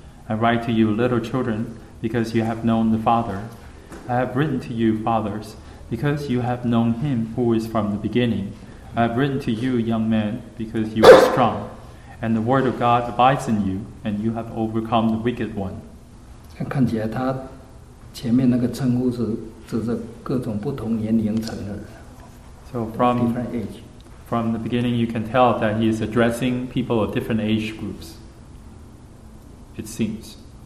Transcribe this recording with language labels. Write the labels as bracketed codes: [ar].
[en] I write to you, little children, because you have known the Father. I have written to you, fathers, because you have known Him who is from the beginning. I have written to you, young men, because you are strong, and the word of God abides in you, and you have overcome the wicked one. [zh] 看起来他前面那个称呼是指着各种不同年龄层的人。 [en] So from different age. From the beginning, you can tell that he is addressing people of different age groups, it seems.